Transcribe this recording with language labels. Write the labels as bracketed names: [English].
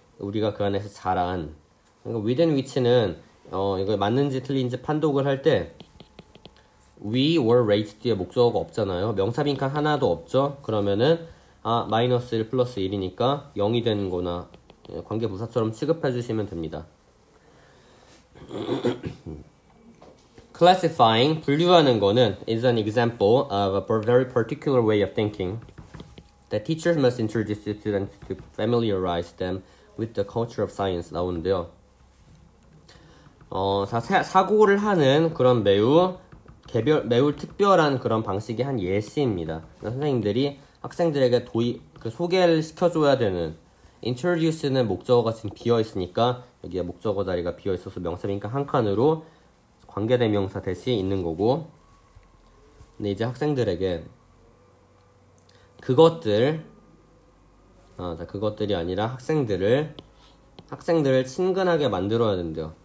[Korean] 우리가 그 안에서 자란. 그러니까 within which는 이거 맞는지 틀린지 판독을 할 때. [English] We were raised [Korean] 뒤에 목적어가 없잖아요. 명사빙칸 하나도 없죠? 그러면은, 마이너스 1 플러스 1이니까 0이 되는 거나, 관계 부사처럼 취급해 주시면 됩니다. [English] Classifying, [Korean] 분류하는 거는 [English] is an example of a very particular way of thinking that teachers must introduce students to familiarize them with the culture of science [Korean] 나오는데요. 사고를 하는 그런 매우 매우 특별한 그런 방식의 한 예시입니다. 선생님들이 학생들에게 소개를 시켜줘야 되는 introduce는 목적어가 지금 비어 있으니까 여기에 목적어 자리가 비어 있어서 명사빙칸 한 칸으로 관계대명사 대시 있는 거고 근데 이제 학생들에게 그것들이 아니라 학생들을 친근하게 만들어야 된대요.